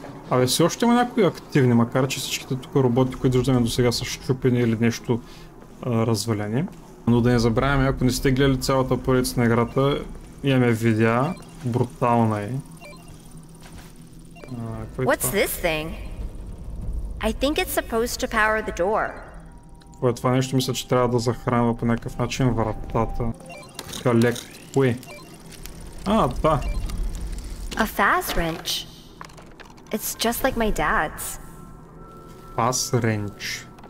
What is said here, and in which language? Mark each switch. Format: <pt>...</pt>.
<bg>Абе, си още има някои активни, макар че всичките тук роботи, които виждаме до сега са щупени или нещо развалени. Но да не забравяме, ако не сте гледали цялата поредица на играта, имаме видеа, брутална е.</bg> <en>What's this thing? I think it's supposed to power the door.</en> <bg>Кое това нещо, мисля, че трябва да захранва по някакъв начин вратата. Така лек. Уи. А, това.</bg> <en>A fast wrench. It's just like my dad's. Fast wrench.</en>